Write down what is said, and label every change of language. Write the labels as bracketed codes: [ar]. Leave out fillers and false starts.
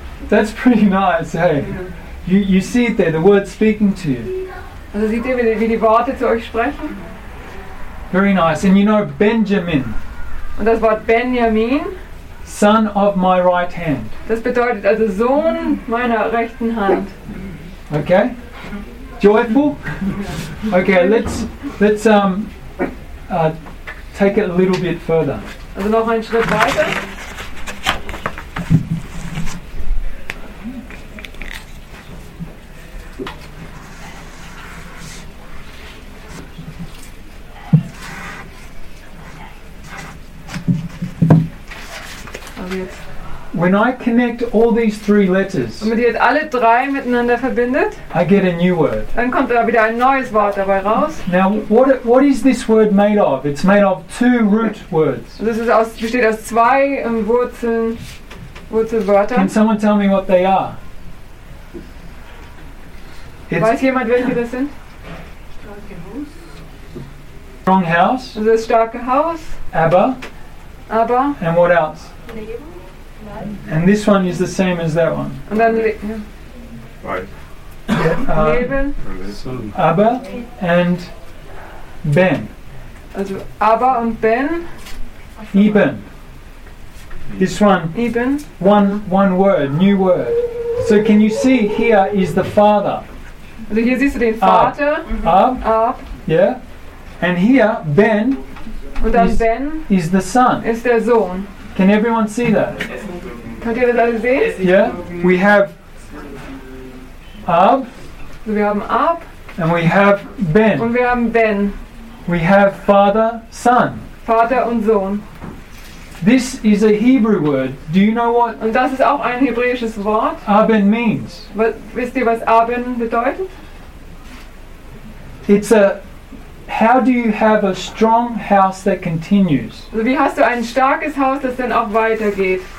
[en] That's pretty nice, hey. Mm-hmm. You see it there, the word speaking to you. [de] Also seht ihr, wie die Worte zu euch sprechen? [en] Very nice. And you know Benjamin. [de] Und das Wort Benjamin. [en] Son of my right hand. [de] Das bedeutet also Sohn meiner rechten Hand. [en] Okay. Joyful? Okay, let's take it a little bit further. [de] Also noch einen Schritt weiter. Jetzt [en] When I connect all these three letters, [de] und wenn ihr jetzt alle drei miteinander verbindet, [en] I get a new word. [de] Dann kommt da wieder ein neues Wort dabei raus. [en] Now, what is this word made of? It's made of two root words. [de] Das ist aus, besteht aus zwei Wurzeln, Wurzelwörtern. [en] Can someone tell me what they are? [de] Weiß jemand, welche das sind? [en] Strong house. [de] Das ist starke Haus. [en] Abba. [de] Abba. [en] And what else? And this one is the same as that one. And then [de] Leben. [en] Abba and Ben. [de] Also Abba und Ben. [en] Eben. This one. [de] Eben. [en] One word, new word. So can you see here is the Father? [de] Also hier siehst du den Vater. [en] Ab. Yeah. And here Ben. [de] Und dann Ben. [en] Is the Son. [de] Ist der Sohn. [en] Can everyone see that? [de] Könnt ihr das alle sehen? [en] Yeah, we have Ab. [de] So wir haben Ab. [en] And we have Ben. [de] Und wir haben Ben. [en] We have Father, Son. [de] Vater und Sohn. [en] This is a Hebrew word. Do you know what? [de] Und das ist auch ein hebräisches Wort. [en] Aben means. [de] Wisst ihr, was Aben bedeutet? [en] It's a How do you have a strong house that continues? [de] Also wie hast du ein starkes Haus, das dann auch weitergeht?